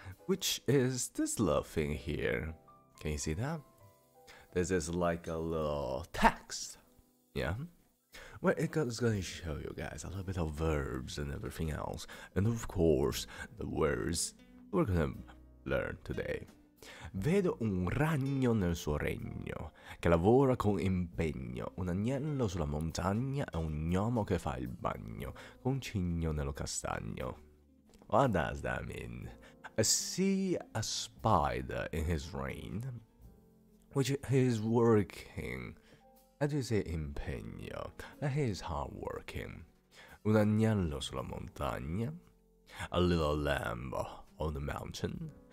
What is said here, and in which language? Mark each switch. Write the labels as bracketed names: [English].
[English] Which is this little thing here. Can you see that? This is like a little text. Yeah? Well, it's gonna show you guys a little bit of verbs and everything else. And of course, the words we're gonna learn today. [Italian] Vedo un ragno nel suo regno, che lavora con impegno, un agnello sulla montagna e un gnomo che fa il bagno, con cigno nello castagno. [English] What does that mean? I see a spider in his reign, which is working. How do you say impegno? He is hardworking. [Italian] Un agnello sulla montagna, [English] a little lamb on the mountain,